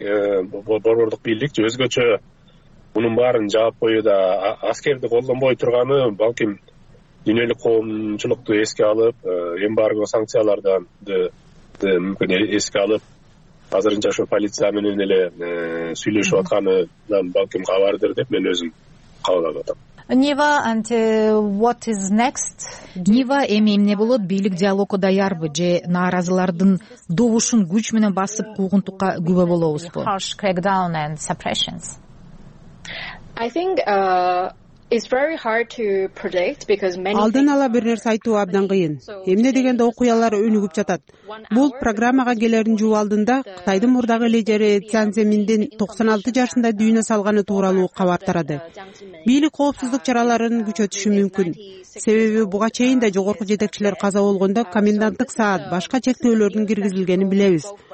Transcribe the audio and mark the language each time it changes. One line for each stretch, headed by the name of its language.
Kyrgyz: Борбордук бийлик өзгөчө мунун баарын жаап коюу да аскерди колдонбой турганы балким дүйнөлүк коомчулукту эске алып эмбарго санкциялардан мүмкүн эске алып азырынча ошо полиция менен эле сүйлөшүп атканынан балким кабардыр деп мен өзүм кабылдап атам.
English: Нива, and what is next?
Kyrgyz: Нива, эми эмне болот? Бийлик диалогко даярбы же нааразылардын добушун күч менен басып куугунтукка күбө болобузбу?
English: Harsh crackdown and suppressions. I think it's very hard to predict because many
Kyrgyz: алдын ала бир нерсе айтуу абдан кыйын. Эмне дегенде окуялар өнүгүп жатат. Бул программага келердин жуу алдында Кытайдын мурдагы лидери Цзян Цземиндин 96 жашында дүйнө салганы тууралуу кабар тарады. Бийлик коопсуздук чараларын күчөтүшү мүмкүн. Себеби буга чейин да жогорку жетекчилер каза болгондо коменданттык саат, башка чектөөлөрдүн киргизилгенин билебиз.